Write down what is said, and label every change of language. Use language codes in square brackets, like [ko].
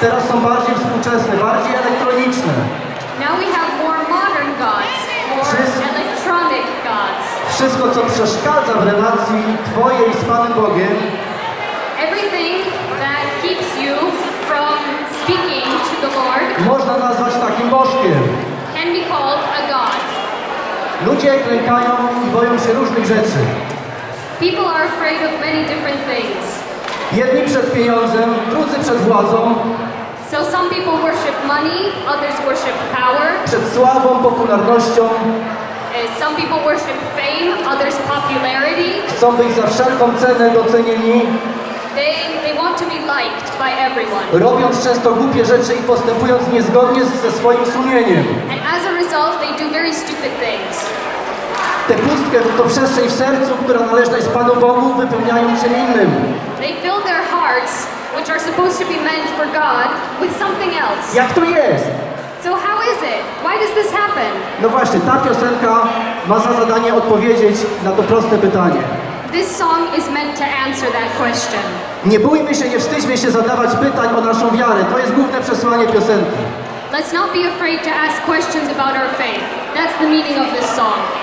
[pl] Teraz są bardziej współczesne, bardziej elektroniczne. [en] Now we have more modern gods, more electronic gods. [pl] Wszystko, co przeszkadza w relacji Twojej z Panem Bogiem, [en] everything that keeps you from speaking to the Lord, [pl] można nazwać takim bożkiem. [en] Can be called a god. [pl] Ludzie klękają i boją się różnych rzeczy. [en] People are afraid of many different things. [pl] Jedni przed pieniądzem, drudzy przed władzą. [en] So some people worship money, others worship power. [pl] Przed sławą, popularnością. [en] Some people worship fame, others popularity. [pl] Chcą być za wszelką cenę docenieni. [en] They want to be liked by everyone. [pl] Robiąc często głupie rzeczy i postępując niezgodnie ze swoim sumieniem. [en] And as a result, they do very stupid things. [pl] Tę pustkę, to przestrzeń w sercu, która należna jest Panu Bogu, wypełniają się innym. [en] They fill their hearts, which are supposed to be meant for God, with something else. [pl] Jak to jest? [en] So how is it? Why does this happen? [pl] No właśnie, ta piosenka ma za zadanie odpowiedzieć na to proste pytanie. [en] This song is meant to answer that question. [pl] Nie bójmy się, nie wstydźmy się zadawać pytań o naszą wiarę. To jest główne przesłanie piosenki. [en] Let's not be afraid to ask questions about our faith. That's the meaning of this song.